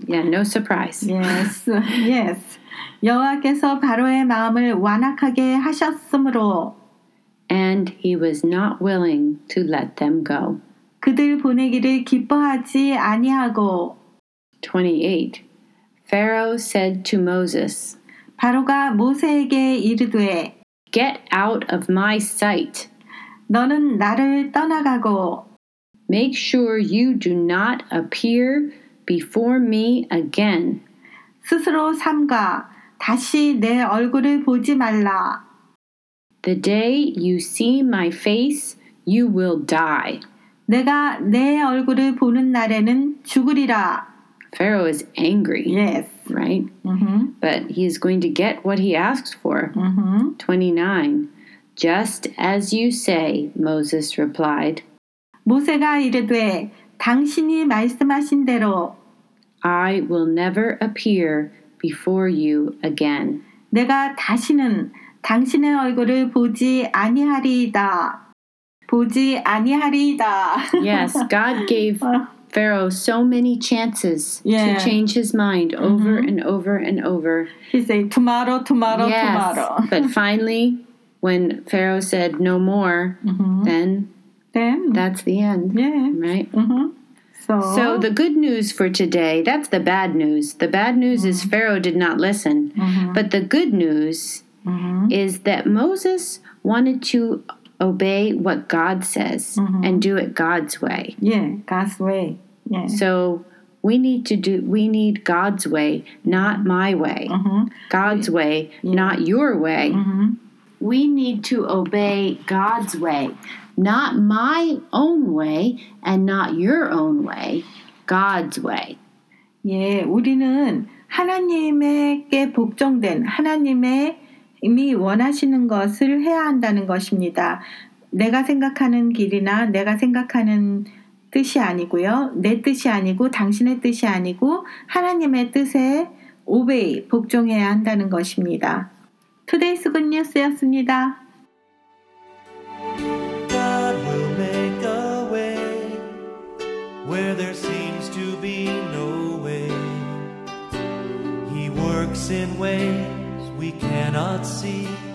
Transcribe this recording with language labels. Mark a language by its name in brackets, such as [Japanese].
[English] Yeah, no surprise. Yes. Yes. [Korean] 여호와께서 바로의 마음을 완악하게 하셨으므로. [English] And he was not willing to let them go. [Korean] 그들 보내기를 기뻐하지 아니하고. [English] 28. Pharaoh said to Moses. [Korean] 바로가 모세에게 이르되. [English] Get out of my sight. [Korean] 너는 나를 떠나가고. [English] Make sure you do not appear before me again. [Korean] 스스로 삼가. 다시 내 얼굴을 보지 말라. [English] The day you see my face, you will die. [Korean] 내가 내 얼굴을 보는 날에는 죽으리라. [English] Pharaoh is angry. Yes. Right? Mm-hmm. But he is going to get what he asks for. Mm-hmm. 29. Just as you say, Moses replied. [Korean] 모세가 이르되, 당신이 말씀하신 대로. [English] I will never appear before you again. [Korean] 내가 다시는 당신의 얼굴을 보지 아니하리이다. 보지 아니하리이다. [English] Yes, God gave Pharaoh so many chances yeah. to change his mind over mm-hmm. and over and over. He said, tomorrow, tomorrow, yes, tomorrow. But finally, when Pharaoh said no more, mm-hmm. then that's the end. Yeah. Right? Mm-hmm. So the good news for today, that's the bad news. The bad news mm-hmm. is Pharaoh did not listen. Mm-hmm. But the good news mm-hmm. is that Moses wanted to obey what God says mm-hmm. and do it God's way. Yeah, God's way. Yeah. So we need God's way, not my way. Mm-hmm. God's way, yeah. not your way. Mm-hmm. We need to obey God's way, not my own way and not your own way. God's way. [Korean] 예, 우리는 하나님에게 복종된 하나님의 이미 원하시는 것을 해야 한다는 것입니다. 내가 생각하는 길이나 내가 생각하는 뜻이 아니고요. 내 뜻이 아니고 당신의 뜻이 아니고 하나님의 뜻에 오베이, 복종해야 한다는 것입니다. [English] Today's Good News였습니다. God will make a way where there seems to be no way. He works in ways we cannot see.